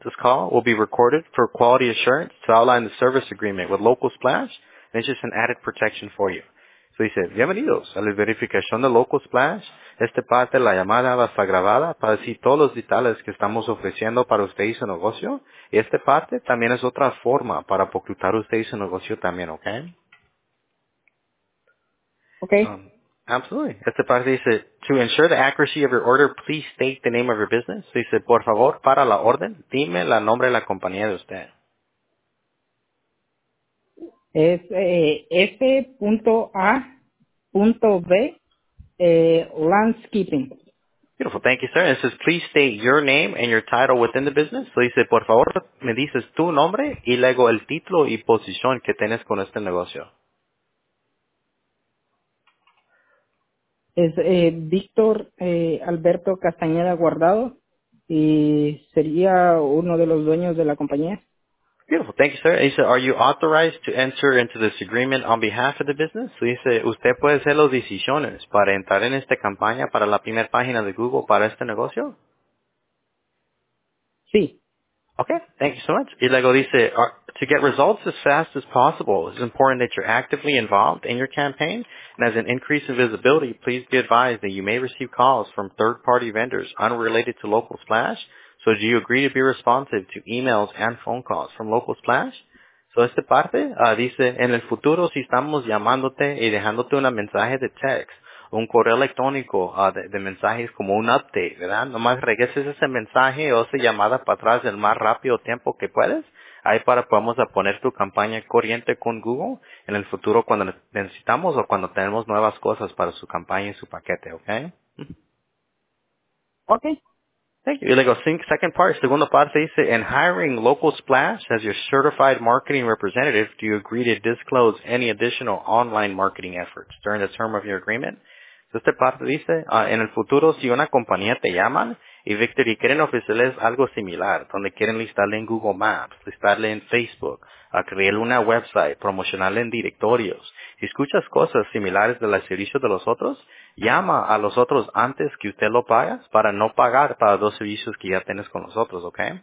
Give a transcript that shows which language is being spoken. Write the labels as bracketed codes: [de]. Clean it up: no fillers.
[en] This call will be recorded for quality assurance to outline the service agreement with Local Splash. This is an added protection for you. [es] Tú dices, bienvenidos a la verificación de Local Splash. Esta parte de la llamada va a estar grabada para decir todos los detalles que estamos ofreciendo para usted y su negocio. Y esta parte también es otra forma para ocultar usted y su negocio también, ¿ok? [en] Okay. Absolutely. [es] Esta parte dice, [en] to ensure the accuracy of your order, please state the name of your business. [es] Dice, por favor, para la orden, dime el nombre de la compañía de usted. Es S.A.B. Landscaping. [en] Beautiful. Thank you, sir. It says, please state your name and your title within the business. [es] So dice, por favor, me dices tu nombre y luego el título y posición que tienes con este negocio. Es Víctor Alberto Castañeda Guardado y sería uno de los dueños de la compañía. [en] Beautiful. Thank you, sir. He said, are you authorized to enter into this agreement on behalf of the business? So he said, [es] usted puede hacer las decisiones para entrar en esta campaña para la primera página de Google para este negocio? Sí. [en] Okay. Thank you so much. [es] Y luego dice, [en] to get results as fast as possible, it's important that you're actively involved in your campaign. And as an increase in visibility, please be advised that you may receive calls from third-party vendors unrelated to Local Splash. So do you agree to be responsive to emails and phone calls from Local Splash? [es] So esta parte dice, en el futuro si estamos llamándote y dejándote un mensaje de text, un correo electrónico de mensajes como un update, ¿verdad? Nomás regreses ese mensaje o esa llamada para atrás el más rápido tiempo que puedes. Ahí para podemos poner tu campaña corriente con Google en el futuro cuando necesitamos o cuando tenemos nuevas cosas para su campaña y su paquete, ¿ok? Ok. [en] Thank you. [es] Luego, [en] second part, [es] segundo parte dice, [en] in hiring Local Splash as your certified marketing representative, do you agree to disclose any additional online marketing efforts during the term of your agreement? [es] So esta parte dice, en el futuro, si una compañía te llaman y Victor y quieren ofrecerles algo similar, donde quieren listarle en Google Maps, listarle en Facebook, crear una website, promocionarle en directorios, si escuchas cosas similares de los servicios de los otros, llama a los otros antes que usted lo pagas para no pagar para dos servicios que ya tienes con los otros, ¿ok?